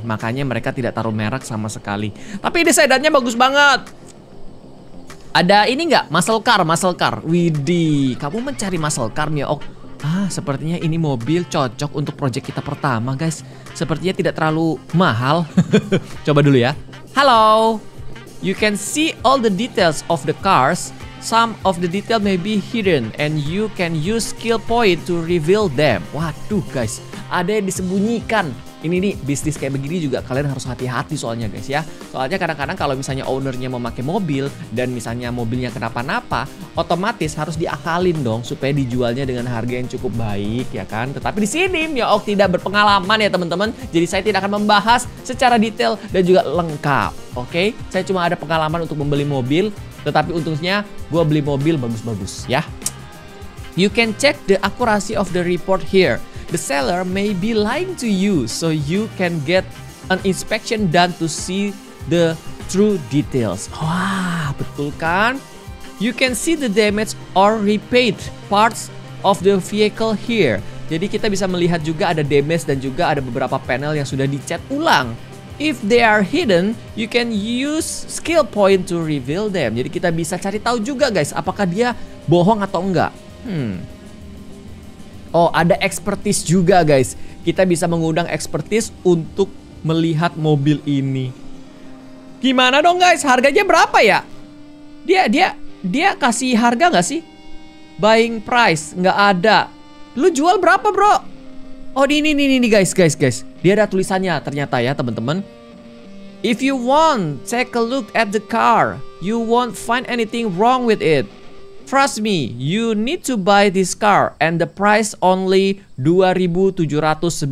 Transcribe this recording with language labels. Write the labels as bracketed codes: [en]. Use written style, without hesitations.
[id] Makanya mereka tidak taruh merek sama sekali. Tapi ini sedannya bagus banget. Ada ini nggak? Muscle car. Widih, kamu mencari muscle car ya? Oh, sepertinya ini mobil cocok untuk project kita pertama guys. Sepertinya tidak terlalu mahal. Coba dulu ya. Halo. [en] You can see all the details of the cars. Some of the detail may be hidden and you can use skill point to reveal them. [id] Waduh guys, ada yang disembunyikan. Ini nih, bisnis kayak begini juga kalian harus hati-hati soalnya guys ya. Soalnya kadang-kadang kalau misalnya ownernya memakai mobil dan misalnya mobilnya kenapa-napa, otomatis harus diakalin dong supaya dijualnya dengan harga yang cukup baik ya kan. Tetapi di sini Miok tidak berpengalaman ya teman-teman. Jadi saya tidak akan membahas secara detail dan juga lengkap. Oke, saya cuma ada pengalaman untuk membeli mobil, tetapi untungnya gue beli mobil bagus-bagus ya. [en] You can check the accuracy of the report here. The seller may be lying to you, so you can get an inspection done to see the true details. [id] Wah, betul kan? [en] You can see the damaged or repaired parts of the vehicle here. [id] Jadi kita bisa melihat juga ada damage dan juga ada beberapa panel yang sudah dicat ulang. [en] If they are hidden, you can use skill point to reveal them. [id] Jadi kita bisa cari tahu juga guys, apakah dia bohong atau enggak. Oh, ada expertise juga guys. Kita bisa mengundang expertise untuk melihat mobil ini. Gimana dong guys, harganya berapa ya? Dia dia kasih harga gak sih? Buying price, gak ada. Lu jual berapa bro? Oh ini guys. Dia ada tulisannya ternyata ya teman-teman. [en] If you want, take a look at the car. You won't find anything wrong with it. Trust me, you need to buy this car and the price only 2794.